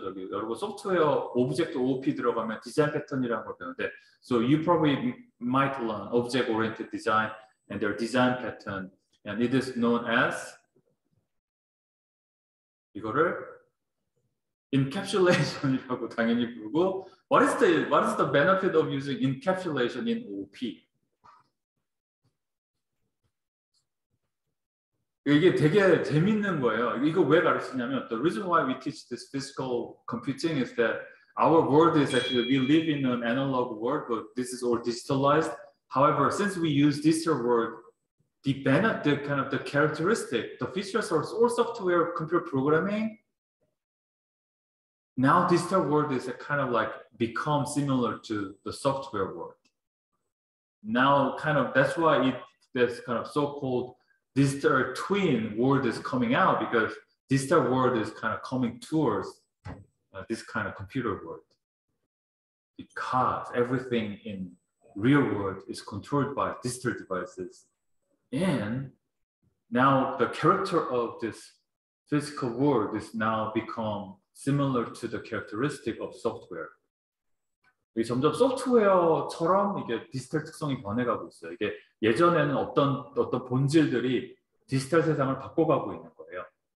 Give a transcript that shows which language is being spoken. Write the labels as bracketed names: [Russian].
[Korean] 저기 여러분 소프트웨어 오브젝트 OOP 들어가면 디자인 패턴이라는 걸 배우는데 [English] so you probably might learn object oriented design and their design pattern and it is known as [Korean] 이거를 encapsulation이라고 당연히 부르고 [English] what is the benefit of using encapsulation in OOP? [Korean] 이게 되게 재밌는 거예요. 이거 왜 가르치냐면 [English] the reason why we teach this physical computing is that our world is actually we live in an analog world, but this is all digitalized. However, since we use digital world, the kind of the characteristic, the features of all software computer programming, now digital world is a kind of like become similar to the software world. Now, kind of that's why this kind of so-called digital twin world is coming out because digital world is kind of coming towards this kind of computer world. Because everything in real world is controlled by digital devices. And now the character of this physical world is now become similar to the characteristic of software. [Korean] 이게 점점 소프트웨어처럼 이게 디지털 특성이 변해가고 있어요. 이게 예전에는 어떤 본질들이 디지털 세상을 바꿔가고 있는 거예요.